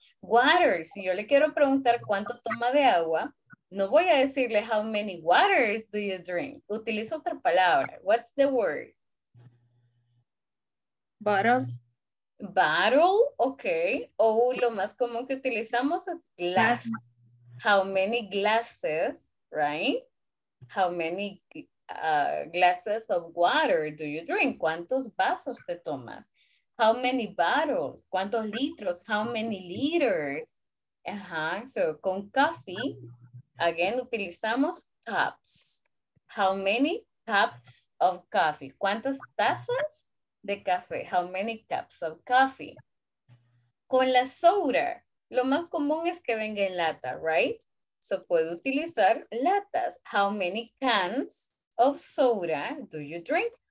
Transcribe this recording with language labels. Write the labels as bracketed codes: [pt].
[es] Water, si yo le quiero preguntar cuánto toma de agua, no voy a decirle [en] how many waters do you drink. [es] Utilizo otra palabra. [en] What's the word? Bottle, okay. [es] Oh, lo más común que utilizamos es glass. [en] How many glasses, right? How many glasses of water do you drink? [es] ¿Cuántos vasos te tomas? [en] How many bottles? [es] ¿Cuántos litros? [en] How many liters? Uh-huh. So, [es] con [en] coffee, again, [es] utilizamos [en] cups. How many cups of coffee? [es] ¿Cuántas tazas de café? [en] How many cups of coffee? [es] Con la soda, lo más común es que venga en lata, [en] right? So [es] puedo utilizar latas. [en] How many cans of soda do you drink?